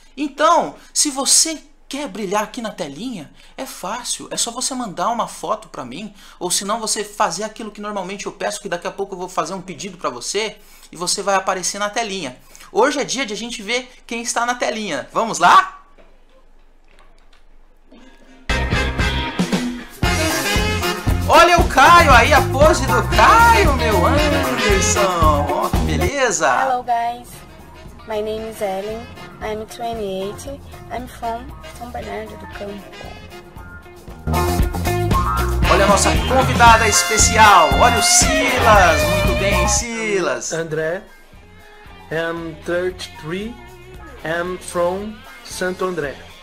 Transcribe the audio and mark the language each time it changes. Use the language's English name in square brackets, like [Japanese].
[Portuguese] Então, se você quer brilhar aqui na telinha, é fácil, é só você mandar uma foto para mim, ou se não você fazer aquilo que normalmente eu peço, que daqui a pouco eu vou fazer um pedido para você, e você vai aparecer na telinha. Hoje é dia de a gente ver quem está na telinha, vamos lá? Olha o Caio aí, a pose do Caio, meu Anderson, beleza? [English] Hello guys, my name is Ellen, I'm 28, I'm from São Bernardo do Campo. [Portuguese] Olha a nossa convidada especial, olha o Silas, muito bem, Silas. [English] André, I'm 33, I'm from Santo André.